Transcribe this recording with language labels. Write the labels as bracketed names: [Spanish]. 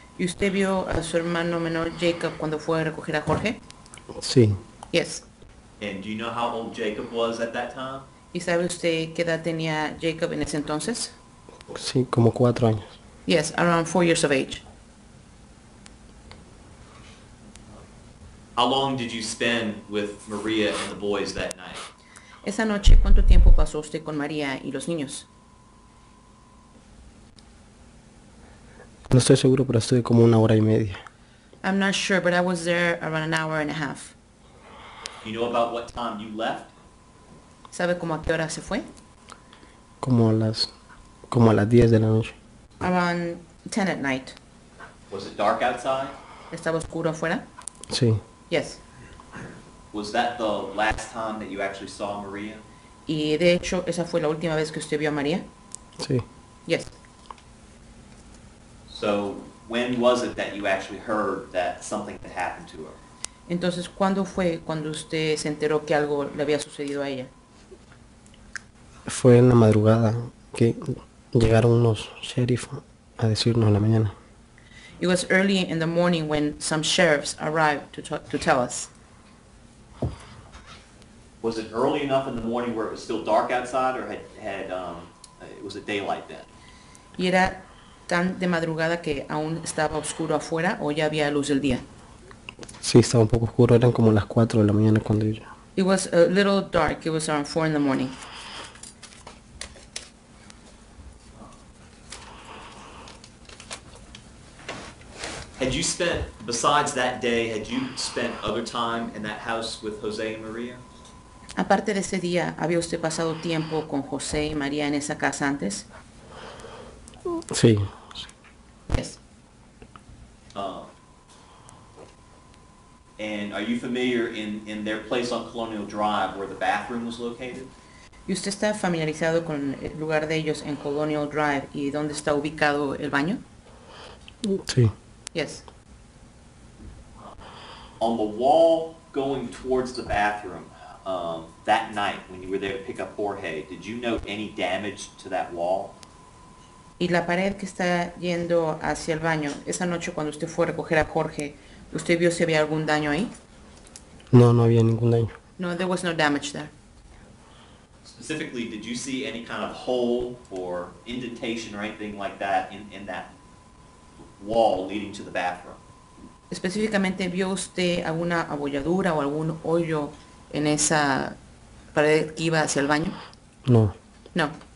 [Spanish] ¿Y usted vio a su hermano menor Jacob cuando fue a recoger a Jorge? Sí. [English] Yes. And do you know how old Jacob was at that time? [Spanish] ¿Y sabe usted qué edad tenía Jacob en ese entonces? Sí, como 4 años. [English] Yes, around 4 years of age. How long did you spend with Maria and the boys that night? [Spanish] Esa noche, ¿cuánto tiempo pasó usted con María y los niños? No estoy seguro, pero estuve como una hora y media. [English] I'm not sure, but I was there around an hour and a half. You know about what time you left? [Spanish] ¿Sabe cómo a qué hora se fue? Como a las 10 de la noche. [English] Around 10 at night. Was it dark outside? [Spanish] ¿Estaba oscuro afuera? Sí. [English] Yes. Was that the last time that you actually saw Maria? [Spanish] ¿Y de hecho esa fue la última vez que usted vio a María? Sí. [English] Yes. So when was it that you actually heard that something had happened to her? [Spanish] Entonces, ¿cuándo fue cuando usted se enteró que algo le había sucedido a ella? Fue en la madrugada que llegaron unos sheriffs a decirnos en la mañana. [English] It was early in the morning when some sheriffs arrived to tell us. Was it early enough in the morning where it was still dark outside, or had was it daylight then? [Spanish] ¿Y era tan de madrugada que aún estaba oscuro afuera o ya había luz del día? Sí, estaba un poco oscuro. Eran como las 4 de la mañana cuando yo. [English] It was a little dark. It was around 4 in the morning. Had you spent, besides that day, had you spent other time in that house with Jose and Maria? [Spanish] Aparte de ese día, ¿había usted pasado tiempo con José y María en esa casa antes? Sí. [English] Yes. And are you familiar in their place on Colonial Drive where the bathroom was located? [Spanish] ¿Y usted está familiarizado con el lugar de ellos en Colonial Drive y dónde está ubicado el baño? Sí. [English] Yes. On the wall going towards the bathroom that night when you were there to pick up Jorge, did you note any damage to that wall? [Spanish] Y la pared que está yendo hacia el baño, esa noche cuando usted fue a recoger a Jorge, ¿usted vio si había algún daño ahí? No, no había ningún daño. [English] No, there was no damage there. Specifically, did you see any kind of hole or indentation or anything like that in that wall leading to the bathroom? [Spanish] Específicamente, ¿vio usted alguna abolladura o algún hoyo en esa pared que iba hacia el baño? No. [English] No.